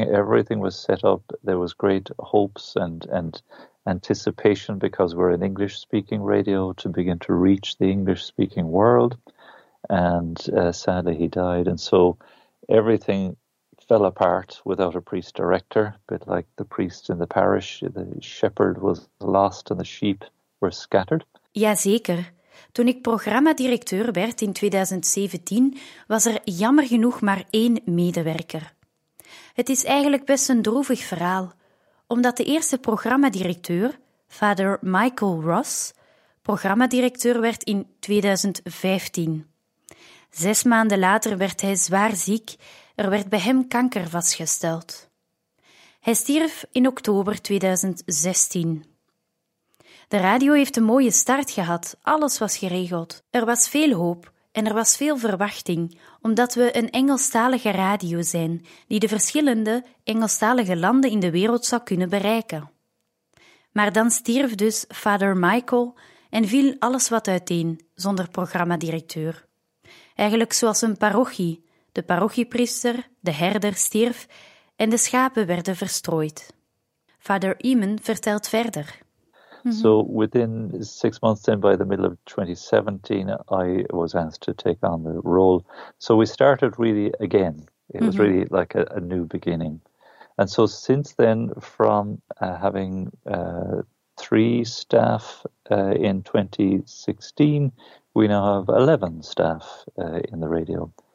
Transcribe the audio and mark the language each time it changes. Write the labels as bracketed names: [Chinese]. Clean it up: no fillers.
[English] Everything was set up. There was great hopes and anticipation because we're an English-speaking radio to begin to reach the English-speaking world. And sadly, he died. And so everything fell apart without a priest director, a bit like the priest in the parish. The shepherd was lost and the sheep were scattered. [Dutch] Jazeker. Toen ik programmadirecteur werd in 2017, was er jammer genoeg maar 1 medewerker. Het is eigenlijk best een droevig verhaal, omdat de eerste programmadirecteur, vader Michael Ross, programmadirecteur werd in 2015. 6 maanden later werd hij zwaar ziek, er werd bij hem kanker vastgesteld. Hij stierf in oktober 2016. De radio heeft een mooie start gehad, alles was geregeld. Er was veel hoop en er was veel verwachting, omdat we een Engelstalige radio zijn die de verschillende Engelstalige landen in de wereld zou kunnen bereiken. Maar dan stierf dus vader Michael en viel alles wat uiteen, zonder programmadirecteur. Eigenlijk zoals een parochie, de parochiepriester, de herder stierf en de schapen werden verstrooid. Vader Eamon vertelt verder... [English] So within 6 months then, by the middle of 2017, I was asked to take on the role. So we started really again. It was really like a new beginning. And so since then, from having 3 staff in 2016, we now have 11 staff in the radio.